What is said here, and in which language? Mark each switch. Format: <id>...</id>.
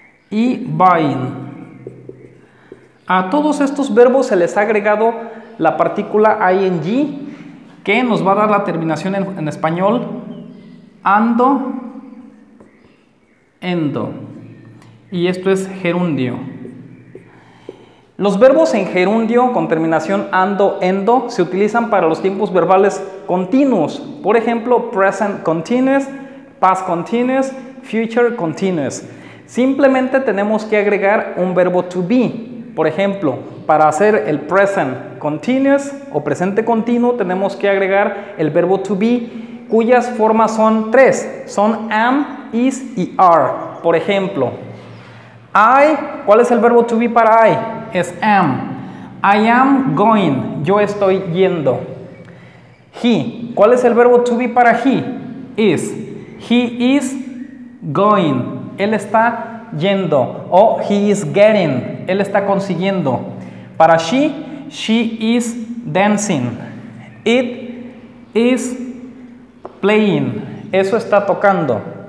<es>Y buying. A todos estos verbos se les ha agregado la partícula ing, que nos va a dar la terminación en español ando, endo. Y esto es gerundio. Los verbos en gerundio con terminación ando, endo se utilizan para los tiempos verbales continuos. Por ejemplo, present continuous, past continuous, future continuous. Simplemente tenemos que agregar un verbo to be. Por ejemplo, para hacer el present continuous o presente continuo, tenemos que agregar el verbo to be, cuyas formas son tres. Son am, is y are. Por ejemplo, I, ¿cuál es el verbo to be para I? Es am.</es> <en>I am going,</en> <es>yo estoy yendo. He, ¿cuál es el verbo to be para he? Is.</es> <en>He is going,</en> <es>él está yendo. O</es> <en>he is getting,</en> <es>él está consiguiendo. Para</es> <en>she, she is dancing. It is playing,</en> <es>eso está tocando.</es>